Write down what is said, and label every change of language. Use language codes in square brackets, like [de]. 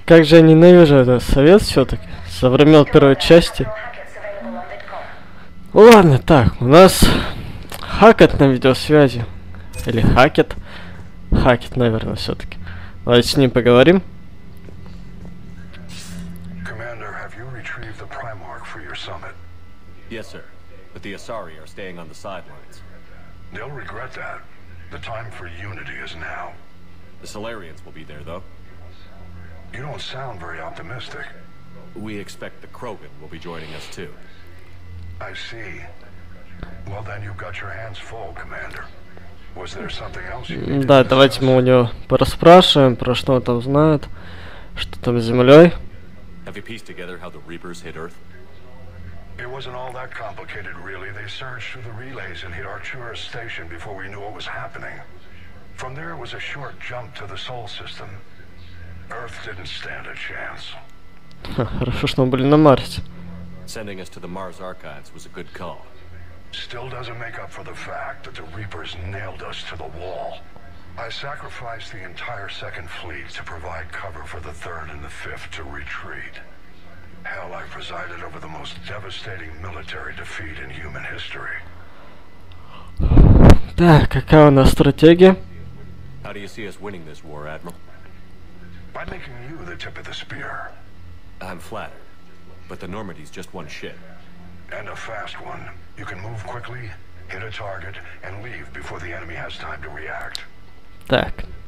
[ru] Как же я ненавижу этот совет все-таки. Со времен первой части. Ладно, так, у нас Хакет на видеосвязи. Или Хакет. Хакет, наверное, все-таки. Давайте с ним поговорим. [en] Commander, have you retrieved the Primarch for your summit? Yes, sir. But the Asari are staying on the sidelines. They'll regret that. The time for unity is now. The Salarians will be there, though. You don't sound very optimistic. We expect the Krogan will be joining us, too. I see. Well, then you've got your hands full, Commander. [ru] Да, давайте мы у него пораспрашиваем, про что он там знает, что там с землей. [en] Have you pieced together how the Reapers hit Earth? It wasn't all that complicated, really. They surged through the relays and hit Arcturus station before we knew what was happening. From there, it was a short jump to the Sol system. Earth didn't stand a chance. [ru] Хорошо, что мы были на Марсе. [en] Sending us to the Mars archives was a good call. Still doesn't make up for the fact that the Reapers nailed us to the wall. I sacrificed the entire second fleet to provide cover for the third and the fifth to retreat. Hell, I presided over the most devastating military defeat in human history. [ru] Так, какая у нас стратегия? [en] How do you see us winning this war, Admiral? By making you the tip of the spear. I'm flattered, but the Normandy's just one ship. And a fast one. You can move quickly, hit a target, and leave before the enemy has time to react. [ru] Так.